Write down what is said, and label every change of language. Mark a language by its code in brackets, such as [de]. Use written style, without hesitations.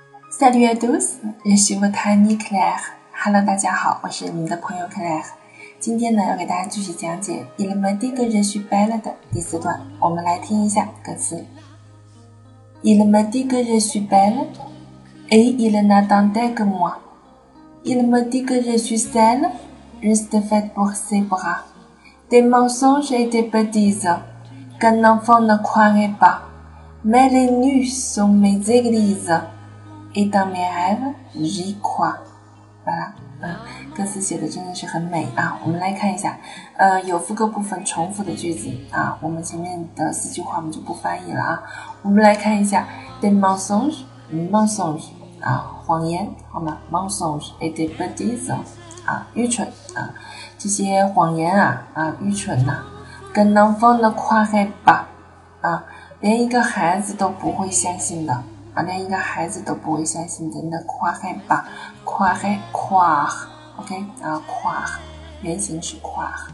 [fr] Salut à tous, je suis votre amie Claire. [zh] Hello, 大家好，我是你们的朋友 Claire。今天呢，要给大家继续讲解《Il m'a dit que je suis belle》的第四段，我们来听一下歌词。 [fr] Il m'a dit que je suis belle, et il n'attendait que moi. Il m'a dit que je suis celle, juste faite pour ses bras. Des mensonges et des bêtises, qu'un enfant ne croirait pas. Mais les nues sont mes églises. Et dans mes rêves, j'y crois. Voilà. [zh] 歌词写的真的是很美啊。我们来看一下。有副歌部分重复的句子啊。我们前面的四句话我们就不翻译了啊。我们来看一下。 [fr] Des mensonges, mensonges, [zh] 啊。谎言好吗 ? [fr] mensonges, et des bêtises, [zh] 啊。愚蠢啊。这些谎言啊啊愚蠢啊。跟 [fr] enfant ne croirait pas, [zh] 啊。连一个孩子都不会相信的。啊，连一个孩子都不会相信的，那夸黑吧，夸黑夸 ，OK， 啊，夸，原型是夸。